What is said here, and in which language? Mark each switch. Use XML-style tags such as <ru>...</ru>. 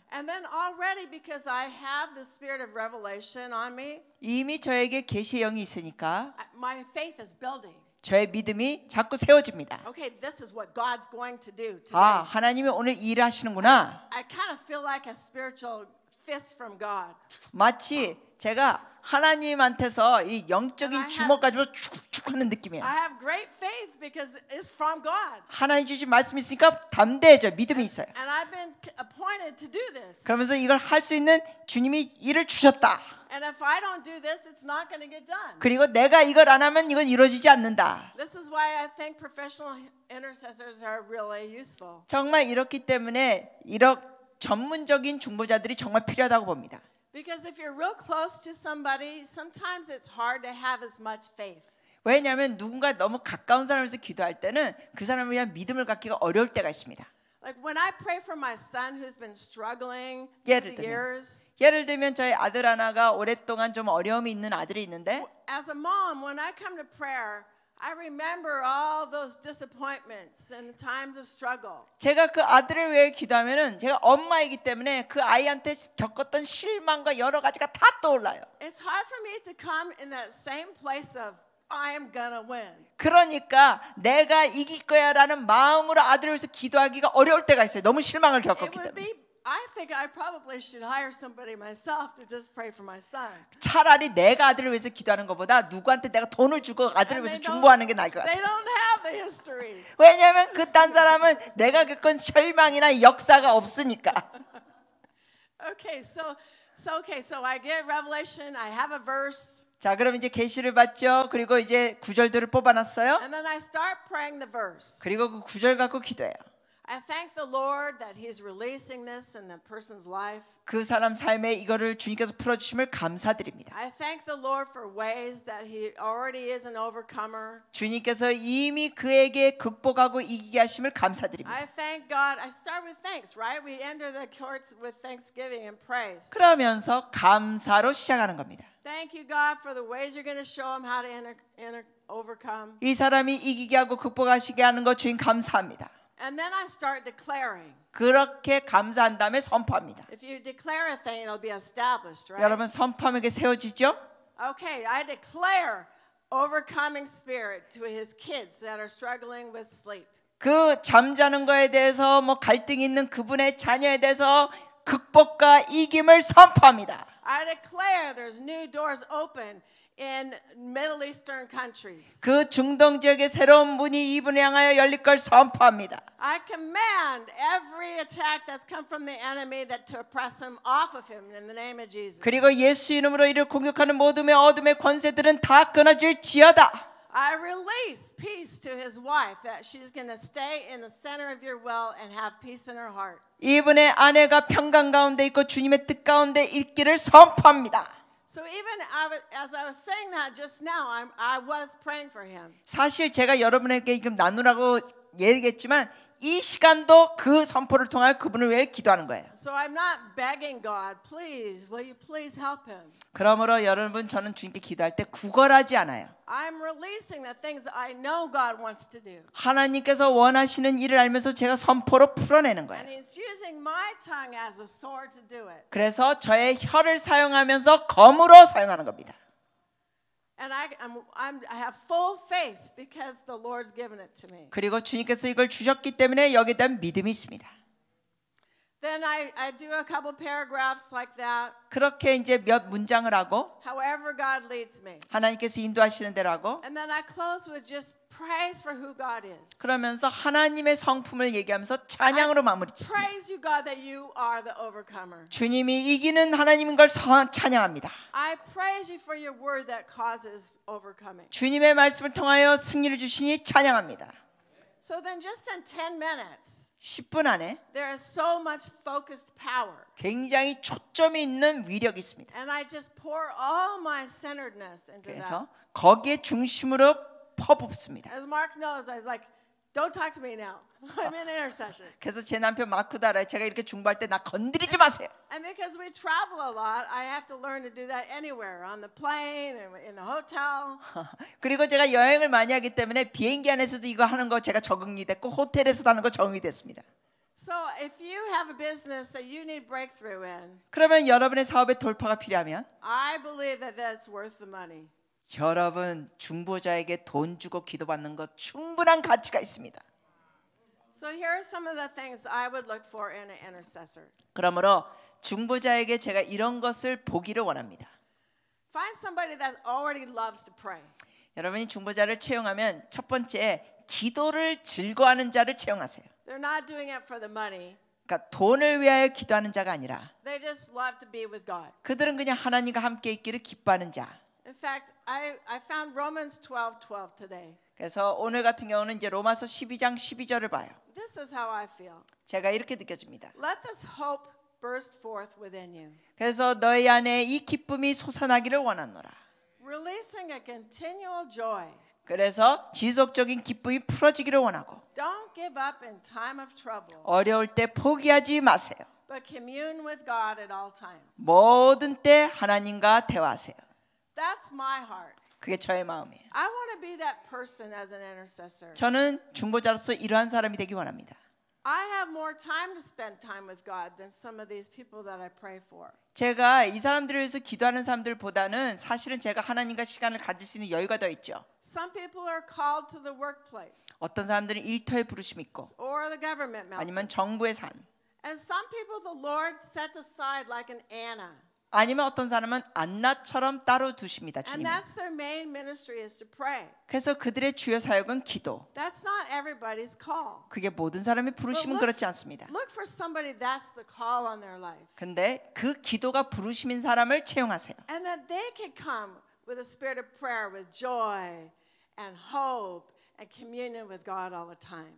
<en>And then already because I have the spirit of revelation on me.</en> <ko>이미 저에게 계시의 영이 있으니까.</ko> <en>My faith is building.</en> <ko>저의 믿음이 자꾸 세워집니다.</ko> <en>Okay, this is what God's going to do today.</en> <ko>아, 하나님이 오늘 일하시는구나.</ko> <en>I kind of feel like a spiritual fist from God.</en> <ko>마치 제가 하나님한테서 이 영적인 주먹 가지고 축축 하는 느낌이야.</ko> <en>I have great faith because it's from God.</en> <ko>하나님 주신 말씀 있으니까 담대해져 믿음이 있어요.</ko> <en>And I've been appointed to do this.</en> <ko>그러면서 이걸 할 수 있는 주님이 일을 주셨다.</ko> <en>And if I don't do this, it's not going to get done.</en> <ko>그리고 내가 이걸 안 하면 이건 이루어지지 않는다.</ko> <en>This is why I think professional intercessors are really useful.</en> <ko>정말 이렇기 때문에 이렇게 전문적인 중보자들이 정말 필요하다고 봅니다.</ko> <en>Because if you're real close to somebody, sometimes it's hard to have as much faith.</en> <ko>왜냐하면 누군가 너무 가까운 사람에서 기도할 때는 그 사람을 위한 믿음을 갖기가 어려울 때가 있습니다.</ko> <en>Like when I pray for my son who's been struggling for years.</en> <ko>예를 들면 저희 아들 하나가 오랫동안 좀 어려움이 있는 아들이 있는데.</ko> <en>As a mom, when I come to prayer, I remember all those disappointments and the times of struggle.</en> <ko>제가 그 아들을 위해 기도하면은 제가 엄마이기 때문에 그 아이한테 겪었던 실망과 여러 가지가 다 떠올라요.</ko> <en>It's hard for me to come in that same place of I am gonna win.</en> <ko>그러니까 내가 이길 거야라는 마음으로 아들을 위해서 기도하기가 어려울 때가 있어요. 너무 실망을 겪었기 때문에.</ko> <en>I think I probably should hire somebody myself to just pray for my son.</en> <ko>차라리 내가 아들을 위해서 기도하는 것보다 누구한테 내가 돈을 주고 아들을 위해서 중보하는 게 나을 것 같아.</ko> <en>They don't have the history.</en> <ko>왜냐하면 그 딴 사람은 내가 겪은 절망이나 역사가 없으니까.</ko> <en>Okay, so I get revelation. I have a verse.</en> <ko>자, 그럼 이제 계시를 받죠. 그리고 이제 구절들을 뽑아놨어요.</ko> <en>And then I start praying the verse.</en> <ko>그리고 그 구절 갖고 기도해요.</ko> <en>I thank the Lord that He's releasing this in the person's life.</en> <ko>그 사람 삶에 이거를 주님께서 풀어주심을 감사드립니다.</ko> <en>I thank the Lord for ways that He already is an overcomer.</en> <ko>주님께서 이미 그에게 극복하고 이기게 하심을 감사드립니다.</ko> <en>I thank God. I start with thanks, right? We enter the courts with thanksgiving and praise.</en> <ko>그러면서 감사로 시작하는 겁니다.</ko> <en>Thank you, God, for the ways you're going to show him how to overcome.</en> <ko>이 사람이 이기게 하고 극복하시게 하는 거 주님 감사합니다.</ko> <en>And then I start declaring.</en> <ko>그렇게 감사한 다음에 선포합니다.</ko> <en>If you declare a thing, it'll be established, right?</en> <ko>여러분 선포하면 이게 세워지죠?</ko> <en>Okay, I declare overcoming spirit to his kids that are struggling with sleep.</en> <ko>그 잠자는 거에 대해서 뭐 갈등 있는 그분의 자녀에 대해서 극복과 이김을 선포합니다.</ko> <en>I declare there's new doors open. In Middle Eastern countries,</en> <ko>그 중동 지역의 새로운 문이 이분을 향하여 열릴 걸 선포합니다.</ko> <en>I command every attack that's come from the enemy that to oppress him off of him in the name of Jesus.</en> <ko>그리고 예수 이름으로 이를 공격하는 모든 어둠의 권세들은 다 끊어질 지어다.</ko> <en>I release peace to his wife that she's going to stay in the center of your will and have peace in her heart.</en> <ko>이분의 아내가 평강 가운데 있고 주님의 뜻 가운데 있기를 선포합니다.</ko> <en>So even as I was saying that just now, I was praying for him.</en> <ko>사실 제가 여러분에게 지금 나누라고 얘기했지만 이 시간도 그 선포를 통하여 그분을 위해 기도하는 거예요.</ko> <en>So I'm not begging God, please, will you please help him?</en> <ko>그러므로 여러분 저는 주님께 기도할 때 구걸하지 않아요.</ko> <en>I'm releasing the things I know God wants to do.</en> <ko>하나님께서 원하시는 일을 알면서 제가 선포로 풀어내는 거예요.</ko> <en>And he's using my tongue as a sword to do it.</en> <ko>그래서 저의 혀를 사용하면서 검으로 사용하는 겁니다.</ko> <en>And I have full faith because the Lord's given it to me.</en> <ko>그리고 주님께서 이걸 주셨기 때문에 여기에 대한 믿음이 있습니다.</ko> <en>Then I do a couple paragraphs like that.</en> <ko>그렇게 이제 몇 문장을 하고</ko> <en>However God leads me.</en> <ko>하나님께서 인도하시는 대로 하고</ko> <en>And then I close with just praise for who God is.</en> <ko>그러면서 하나님의 성품을 얘기하면서 찬양으로 마무리 짓습니다.</ko> <en>Praise you God that you are the overcomer.</en> <ko>주님이 이기는 하나님인 걸 찬양합니다.</ko> <en>I praise you for your word that causes overcoming.</en> <ko>주님의 말씀을 통하여 승리를 주시니 찬양합니다.</ko> <en>So then just in 10 minutes</en> <ko>10분 안에</ko> <en>There is so much focused power.</en> <ko>굉장히 초점이 있는 위력이 있습니다.</ko> <en>And I just pour all my centeredness into that.</en> <ko>그래서 거기에 중심으로 퍼붓습니다.</ko> <en>As Mark knows, I was like, "Don't talk to me now. I'm in intercession."</en> <ko>그래서 제 남편 마크도 알아요. 제가 이렇게 중보할 때 나 건드리지 마세요.</ko> <en>And because we travel a lot, I have to learn to do that anywhere on the plane and in the hotel.</en> <ko>그리고 제가 여행을 많이 하기 때문에 비행기 안에서도 이거 하는 거 제가 적응이 됐고 호텔에서도 하는 거 적응이 됐습니다.</ko> <en>So if you have a business that you need breakthrough in,</en> <ko>그러면 여러분의 사업에 돌파가 필요하면,</ko> <en>I believe that that's worth the money.</en> <ko>여러분 중보자에게 돈 주고 기도받는 것 충분한 가치가 있습니다.</ko> <en>So here are some of the things I would look for in an intercessor.</en> <ko>그러므로 중보자에게 제가 이런 것을 보기를 원합니다.</ko> <en>Find somebody that already loves to pray.</en> <ko>여러분이 중보자를 채용하면 첫 번째 기도를 즐거워하는 자를 채용하세요.</ko> <en>They're not doing it for the money.</en> <ko>그러니까 돈을 위하여 기도하는 자가 아니라</ko> <en>They just love to be with God.</en> <ko>그들은 그냥 하나님과 함께 있기를 기뻐하는 자.</ko> <en>In fact, I found Romans 12:12 today.</en> <ko>그래서 오늘 같은 경우는 이제 로마서 12장 12절을 봐요.</ko> <en>This is how I feel.</en> <ko>제가 이렇게 느껴집니다.</ko> <en>Let this hope burst forth within you.</en> <ko>그래서 너희 안에 이 기쁨이 솟아나기를 원하노라.</ko> <en>Releasing a continual joy.</en> <ko>그래서 지속적인 기쁨이 풀어지기를 원하고.</ko> <en>Don't give up in time of trouble.</en> <ko>어려울 때 포기하지 마세요.</ko> <en>But commune with God at all times.</en> <ko>모든 때 하나님과 대화하세요.</ko> <en>That's my heart.</en> <ko>그게 저의 마음이에요.</ko> <en>I want to be that person as an intercessor.</en> <ko>저는 중보자로서 이러한 사람이 되기 원합니다.</ko> <en>I have more time to spend time with God than some of these people that I pray for.</en> <ko>제가 이 사람들을 위해서 기도하는 사람들보다는 사실은 제가 하나님과 시간을 가질 수 있는 여유가 더 있죠.</ko> <en>Some people are called to the workplace.</en> <ko>어떤 사람들은 일터에 부르심 있고</ko> <en>or the government.</en> <ko>아니면 정부의 삶.</ko> <en>And some people the Lord set aside like an Anna.</en> <ko>아니면 어떤 사람은 안나처럼 따로 두십니다, 주님.</ko> <en>And that's their main ministry is to pray.</en> <ko>그래서 그들의 주요 사역은 기도.</ko> <en>That's not everybody's call.</en> <ko>그게 모든 사람이 부르심은 그렇지 않습니다.</ko> <en>Look for somebody that's the call on their life.</en> <ko>근데 그 기도가 부르심인 사람을 채용하세요.</ko> <en>And that they can come with a spirit of prayer with joy and hope and communion with God all the time.</en>